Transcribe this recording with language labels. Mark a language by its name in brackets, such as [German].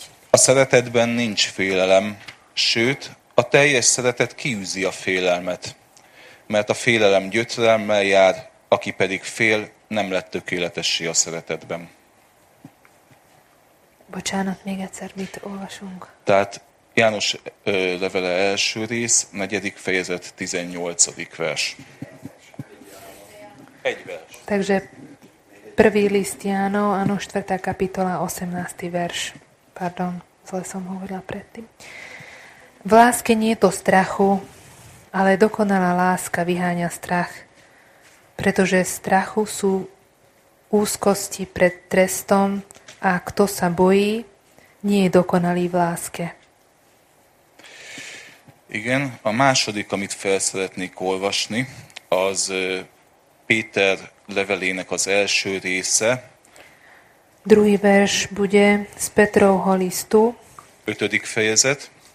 [Hungarian] A szeretetben nincs félelem, sőt, a teljes szeretet kiűzi a félelmet, mert a félelem gyötrelemmel jár, aki pedig fél, nem lett tökéletessé a szeretetben. Bocsánat, még egyszer mit olvasunk? Tehát János levele első rész, 4. fejezet, 18. vers. Egy vers. [Slovak] Takže prvý list Jánov, áno, 4. kapitola, 18. vers. Pardon, zle som hovorila predtým. V láske nie je to strachu, ale dokonalá láska vyháňa strach, pretože strachu sú úzkosti pred trestom a kto sa bojí, nie je dokonalý v láske. [Hungarian] Igen, a második, amit fel szeretnék olvasni, az Péter levelének az első része. [Slovak] Druhý vers bude z Petrovho listu. [Hungarian] 5. fejezet.